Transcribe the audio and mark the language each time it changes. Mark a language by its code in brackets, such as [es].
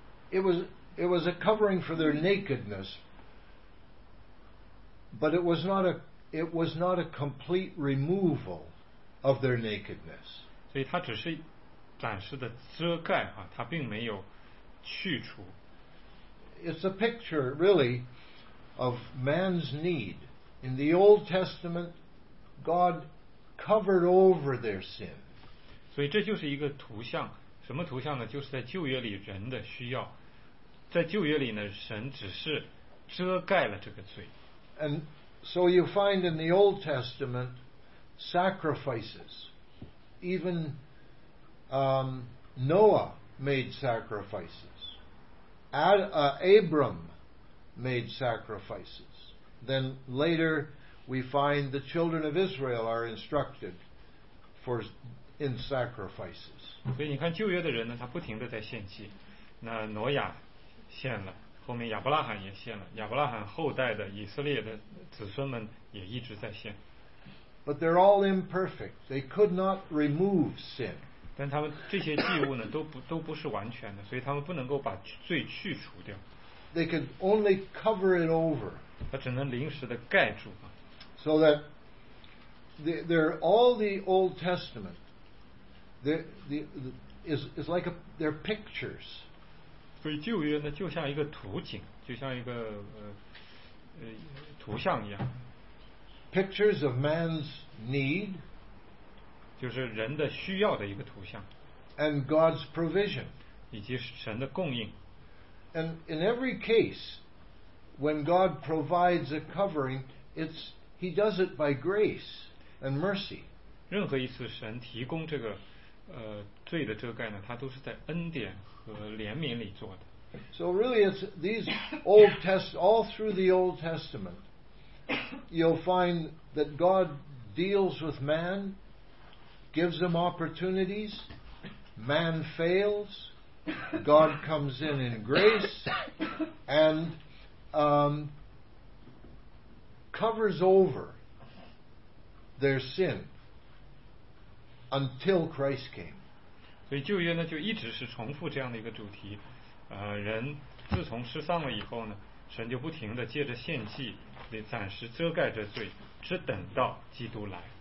[en] It was a covering for their nakedness, but it was not a complete removal of their nakedness. [zh] 所以它只是暂时的遮盖哈，它并没有去除。 [en] It's a picture, really, of man's need. In the Old Testament, God covered over their sin. [zh] 所以这就是一个图像，什么图像呢？就是在旧约里人的需要，在旧约里呢，神只是遮盖了这个罪。 [en] And so you find in the Old Testament sacrifices. Even Noah made sacrifices. Abram made sacrifices. Then later we find the children of Israel are instructed for in sacrifices. [zh] 所以你看旧约的人呢，他不停的在献祭。那挪亚献了，后面亚伯拉罕也献了，亚伯拉罕后代的以色列的子孙们也一直在献。 [en] But they're all imperfect. They could not remove sin. [zh] 但他们这些祭物呢，都不是完全的，所以他们不能够把罪去除掉。 [en] They could only cover it over. [zh] 他只能临时的盖住。 [en] So that they're all the Old Testament, is like they're pictures. [zh] 所以旧约呢，就像一个图景，就像一个图像一样。 [en] Pictures of man's need. [zh] 就是人的需要的一个图像 [en] ，and God's provision， [zh] 以及神的供应。 [en] And in every case, when God provides a covering, He does it by grace and mercy. [zh] 任何一次神提供这个罪的遮盖呢，他都是在恩典和怜悯里做的。 [en] So really, it's these old tests all through the Old Testament. You'll find that God deals with man. Gives them opportunities, man fails, God comes in grace, and covers over their sin until Christ came. [zh] 所以旧约呢就一直是重复这样的一个主题，人自从失丧了以后呢，神就不停的借着献祭来暂时遮盖着罪，只等到基督来。